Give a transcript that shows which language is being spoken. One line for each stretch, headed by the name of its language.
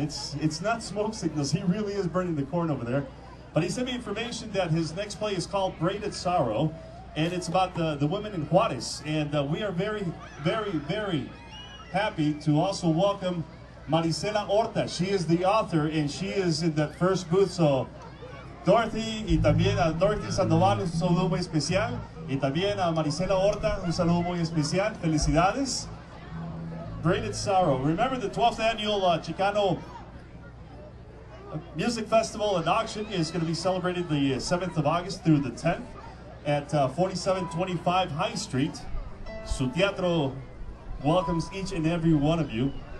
English: It's not smoke signals. He really is burning the corn over there. But he sent me information that his next play is called Braided Sorrow, and it's about the women in Juarez. And we are very, very, very happy to also welcome Maricela Horta. She is the author, and she is in that first booth.
Spanish: So, Dorothy, y también a Dorothy Sandoval, un saludo muy especial. Y también a Maricela Horta, un saludo muy especial. Felicidades. Braided Sorrow.
English: Remember, the 12th annual Chicano Music Festival and Auction is going to be celebrated the 7th of August through the 10th at 4725 High Street. Su Teatro welcomes each and every one of you.